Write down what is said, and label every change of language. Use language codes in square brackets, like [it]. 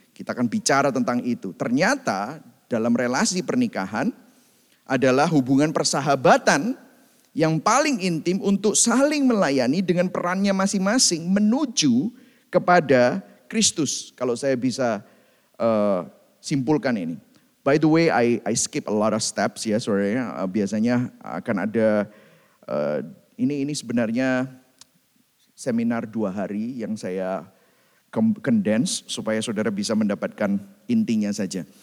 [id] Kita akan bicara tentang itu. Ternyata dalam relasi pernikahan adalah hubungan persahabatan yang paling intim untuk saling melayani dengan perannya masing-masing menuju kepada Kristus. Kalau saya bisa simpulkan ini. [en] By the way, I skip a lot of steps ya, sorry. [id] Biasanya akan ada, ini sebenarnya seminar 2 hari yang saya condense supaya saudara bisa mendapatkan intinya saja.